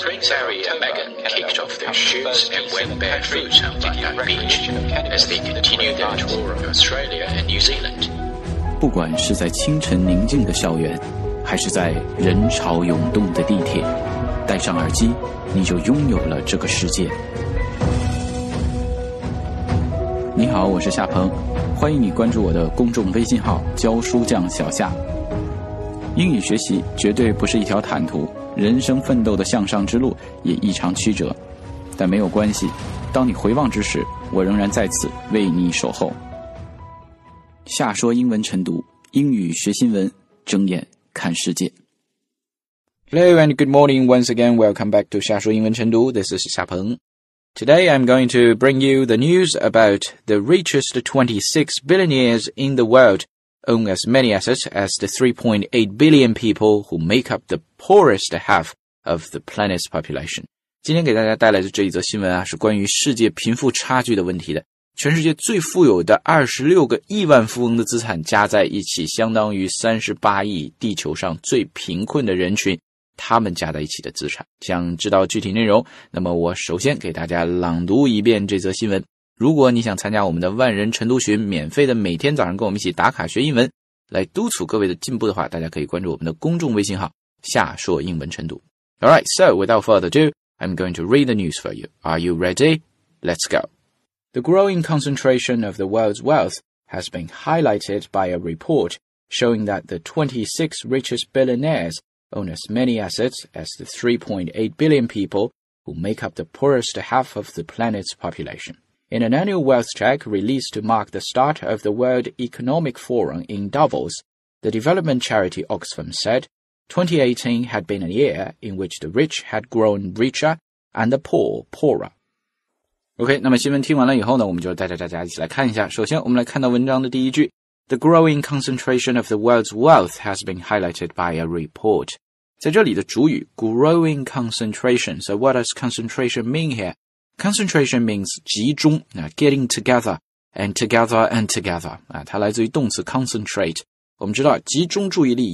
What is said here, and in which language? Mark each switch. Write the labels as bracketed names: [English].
[English] Prince Harry and Meghan kicked off their shoes and went barefoot on Bondi Beach as they continued their tour of Australia and New Zealand. [Chinese] 不管是在清晨宁静的校园，还是在人潮涌动的地铁，戴上耳机，你就拥有了这个世界。你好，我是夏鹏，欢迎你关注我的公众微信号教书匠小夏。英语学习绝对不是一条坦途，人生奋斗的向上之路也异常曲折，但没有关系，当你回望之时，我仍然在此为你守候。夏说英文晨读，英语学新闻，睁眼看世界。 [English] Hello and good morning once again. Welcome back to 夏说英文晨读。This is 夏鹏。 Today, I'm going to bring you the news about the richest 26 billionaires in the world own as many assets as the 3.8 billion people who make up the poorest half of the planet's population. [Chinese] 今天给大家带来的这一则新闻啊，是关于世界贫富差距的问题的。全世界最富有的26个亿万富翁的资产加在一起，相当于38亿地球上最贫困的人群他们加在一起的资产。想知道具体内容，那么我首先给大家朗读一遍这则新闻。如果你想参加我们的万人晨读群，免费的每天早上跟我们一起打卡学英文，来督促各位的进步的话，大家可以关注我们的公众微信号夏说英文晨读。 [English] Alright, so without further ado, I'm going to read the news for you. Are you ready? Let's go. The growing concentration of the world's wealth has been highlighted by a report showing that the 26 richest billionaires own as many assets as the 3.8 billion people who make up the poorest half of the planet's population. In an annual wealth check released to mark the start of the World Economic Forum in Davos, the development charity Oxfam said, 2018 had been a year in which the rich had grown richer and the poor poorer. [Chinese] OK, 那么新闻听完了以后呢，我们就带着大家一起来看一下。首先我们来看到文章的第一句。 [English] The growing concentration of the world's wealth has been highlighted by a report. [Chinese] 在这里的主语 [English] growing concentration. So what does concentration mean here? Concentration means 集中 getting together and together and together. [Chinese] 它来自于动词 concentrate. 我们知道集中注意力